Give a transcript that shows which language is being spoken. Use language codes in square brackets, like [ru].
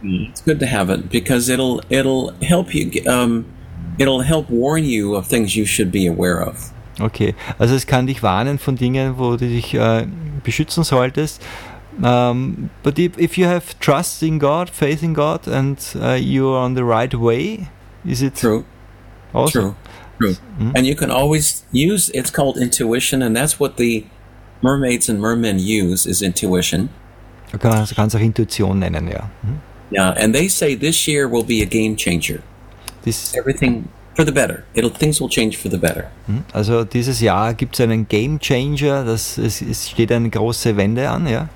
[en] It's good to have it, because it'll help you, it'll help warn you of things you should be aware of. [de] Okay, also es kann dich warnen von Dingen, wo du dich beschützen solltest. [en] But if you have trust in God, faith in God, and you are on the right way, is it true? Awesome? True. Mm-hmm. And you can always use, it's called intuition, and that's what the mermaids and mermen use, is intuition. [de] Kannst auch Intuition nennen, ja. Mm-hmm. [en] Yeah, and they say this year will be a game changer. Everything for the better. Things will change for the better. [de] Also dieses Jahr gibt es einen Game Changer, es steht eine große Wende an, ja.